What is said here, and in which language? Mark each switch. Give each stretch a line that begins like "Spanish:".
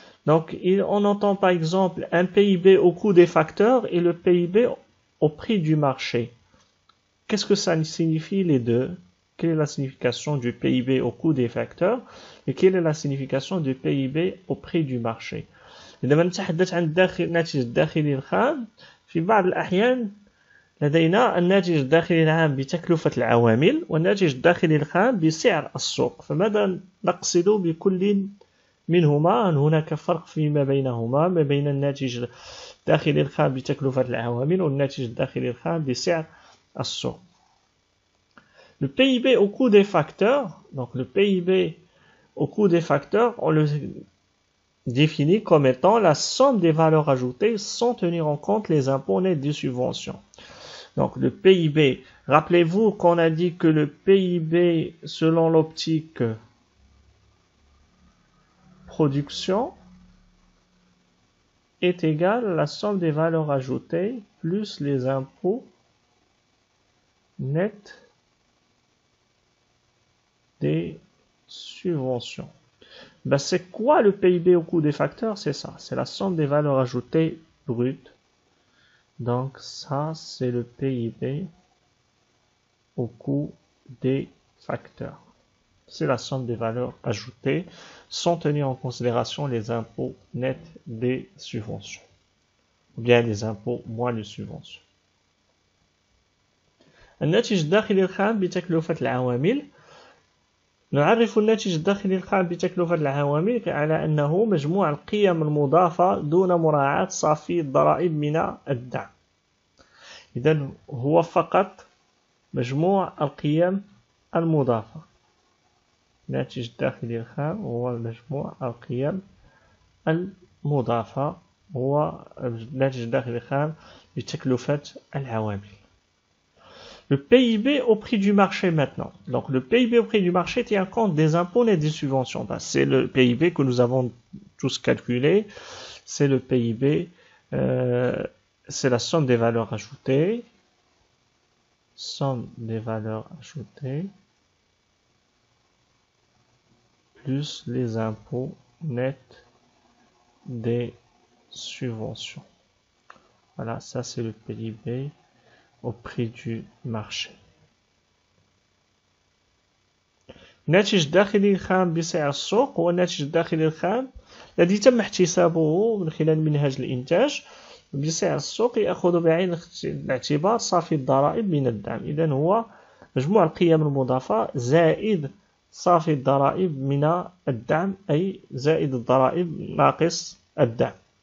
French: Donc, on entend par exemple un PIB au coût des facteurs et le PIB au prix du marché. Qu'est-ce que ça signifie les deux? Quelle est la signification du PIB au coût des facteurs et quelle est la signification du PIB au prix du marché?
Arabic: إذا ما نتحدث عن الناتج الداخلي الخام، في بعض الأحيان لدينا الناتج الداخلي العام بتكلفة العوامل والناتج الداخلي الخام بسعر السوق. فماذا نقصد بكل منهما؟ أن هناك فرق فيما بينهما، ما بين الناتج الداخلي الخام بتكلفة العوامل والناتج الداخلي الخام بسعر السوق.
French: Le PIB au coût des facteurs, donc le PIB au coût des facteurs, on le définit comme étant la somme des valeurs ajoutées sans tenir en compte les impôts nets des subventions. Donc le PIB, rappelez-vous qu'on a dit que le PIB selon l'optique production est égal à la somme des valeurs ajoutées plus les impôts nets des subventions. Ben c'est quoi le PIB au coût des facteurs? C'est ça, c'est la somme des valeurs ajoutées brutes. Donc ça, c'est le PIB au coût des facteurs. C'est la somme des valeurs ajoutées sans tenir en considération les impôts nets des subventions. Ou bien les impôts moins les subventions.
Arabic: الناتج الداخلي الخام بتكلفة العوامل نعرف الناتج الداخلي القائم بتكلفة العوامل على أنه مجموع القيم المضافة دون مراعاة صافي الضرائب من الدعم. إذن هو فقط مجموع القيم المضافة. الناتج الداخلي الخام هو مجموع القيم المضافة، هو الناتج الداخلي الخام بتكلفة العوامل.
French: Le PIB au prix du marché maintenant. Donc le PIB au prix du marché tient compte des impôts et des subventions. Ben, c'est le PIB que nous avons tous calculé. C'est le PIB, c'est la somme des valeurs ajoutées. Somme des valeurs ajoutées plus les impôts nets des subventions. Voilà, ça c'est le PIB au prix du marché.
Arabic: الناتج الداخلي الخام بسعر السوق هو الناتج الداخلي الخام الذي تم احتسابه من خلال منهاج الإنتاج بسعر السوق يأخذ بعين الاعتبار صافي الضرائب من الدعم. إذا هو مجموع القيم المضافة زائد صافي الضرائب من الدعم، أي زائد الضرائب ناقص الدعم.